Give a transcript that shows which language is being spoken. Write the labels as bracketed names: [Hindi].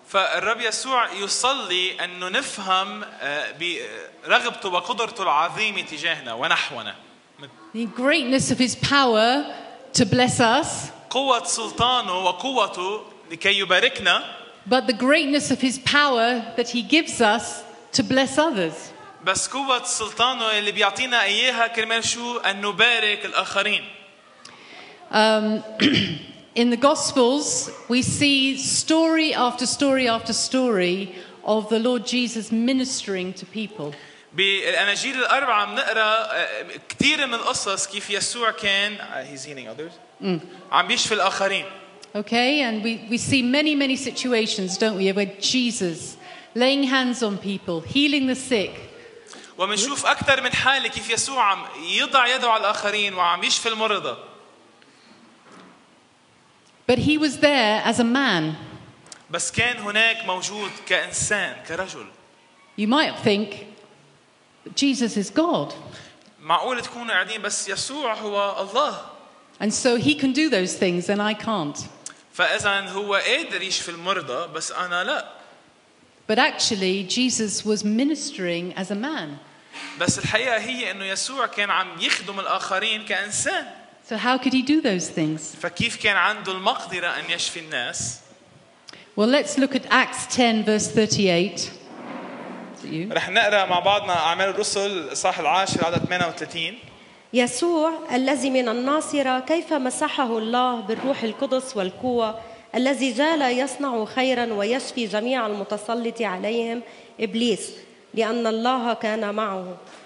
[Arabic] فالرب يسوع يصلي أن نفهم برغبته وقدرته العظيمة تجاهنا ونحونا. [English] The greatness of His power to bless us. [Arabic] قوة سلطانه وقوته لكي يباركنا. [English] But the greatness of His power that He gives us to bless others. [Arabic] بس قوة سلطانه اللي بيعطينا إياها كرمال شو أن نبارك الآخرين. [English] In the Gospels, we see story after story after story of the Lord Jesus ministering to people. [Arabic] بالأناجيل الأربعة منقرأ كثير من القصص كيف يسوع كان [English] he's healing others. [Arabic] عم بيشفي الآخرين. [English] Okay, and we see many many situations, don't we, where Jesus laying hands on people, healing the sick. [Arabic] ومنشوف أكثر من حالة كيف يسوع عم يضع يده على الآخرين وعم يشفي المرضى. [English] But he was there as a man. [Arabic] بس كان هناك موجود كإنسان كرجل. [English] You might think Jesus is God. [Arabic] معقول تكونوا قاعدين بس يسوع هو الله. [English] And so he can do those things and I can't. [Arabic] فإذا هو قادر يشفي المرضى بس أنا لا. [English] But actually Jesus was ministering as a man. [Arabic] بس الحقيقة هي إنه يسوع كان عم يخدم الآخرين كإنسان. [English] So how could he do those things? [Arabic] فكيف كان عنده المقدرة أن يشفي الناس؟ [English] Well, let's look at Acts 10 verse 38. [Arabic] رح نقرا مع بعضنا أعمال الرسل صح العاشر عدد 38. يسوع الذي من الناصرة كيف مسحه الله بالروح القدس والقوة الذي زال يصنع خيرا ويشفي جميع المتسلط عليهم إبليس لأن الله كان معه.